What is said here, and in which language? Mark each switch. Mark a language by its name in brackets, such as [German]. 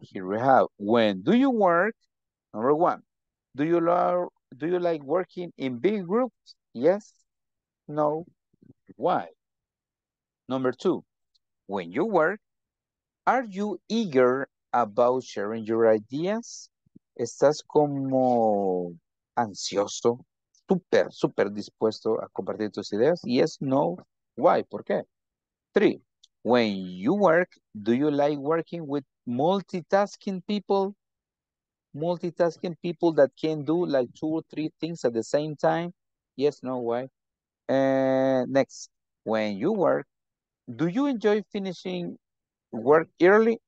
[English] Here we have, when do you work? Number one, do you like working in big groups? Yes, no, why? Number two, when you work, are you eager about sharing your ideas? [Spanish] ¿Estás como ansioso, súper, súper dispuesto a compartir tus ideas? [English] Yes, no, why, [Spanish] por qué? [English] Three, when you work, do you like working with multitasking people that can do like two or three things at the same time? Yes, no, why? And next, when you work, do you enjoy finishing work early?